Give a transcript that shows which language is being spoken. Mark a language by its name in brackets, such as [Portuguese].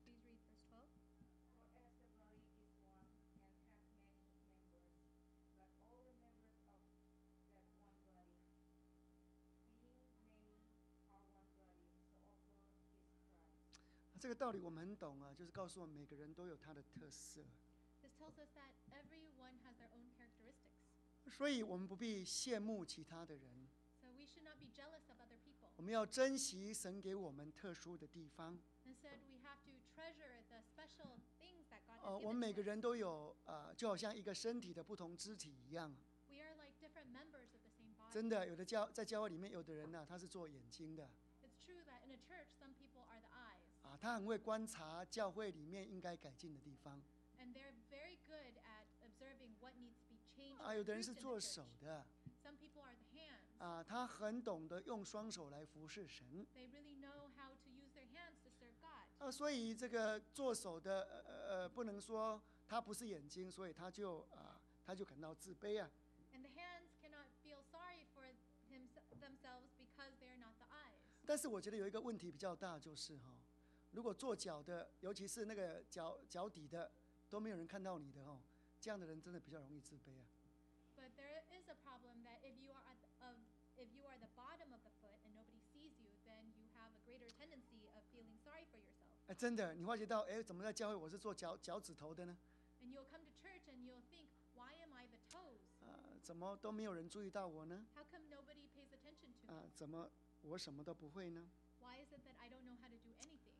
[English] Can you please read verse 12? For as the body is one and has many members, but all the members of that one body, being many, are one body, so also is Christ. [Chinese] 这个道理我们很懂啊，就是告诉我们每个人都有他的特色。 [English] This tells us that everyone has their own characteristics. [Chinese] 所以我们不必羡慕其他的人。 [English] So we should not be jealous of other people. [Chinese] 我们要珍惜神给我们特殊的地方。 [English] Instead, we have to treasure the special things that God has given us. [Chinese] 我们每个人都有就好像一个身体的不同肢体一样。 [English] We are like different members of the same body. [Chinese] 真的，有的在教会里面，有的人呢、啊，他是做眼睛的。 [English] It's true that in a church, some people are the eyes. [Chinese] 他很会观察教会里面应该改进的地方。 [English] And they're very good at observing what needs to be changed. [Chinese] 有的人是做手的。 [English] Some people are the hands. [Chinese] 他很懂得用双手来服侍神。 [English] They really know how to use their hands to serve God. [Chinese] 所以这个做手的不能说他不是眼睛，所以他就他就感到自卑啊。 [English] And the hands cannot feel sorry for themselves because they are not the eyes. [Chinese] 但是我觉得有一个问题比较大，就是如果做脚的，尤其是那个脚底的。都没有人看到你的哦，这样的人真的比较容易自卑啊。 [English] But there is a problem that if you are the bottom of the foot and nobody sees you, then you have a greater tendency of feeling sorry for yourself. [Chinese] 哎，真的，你发觉到，哎，怎么在教会我是做脚趾头的呢 [English] ？And you'll come to church and you'll think, why am I the toes? [Chinese] 啊，怎么都没有人注意到我呢 [English] ？How come nobody pays attention to me? [Chinese] 啊，怎么我什么都不会呢 [English] ？Why is it that I don't know how to do anything?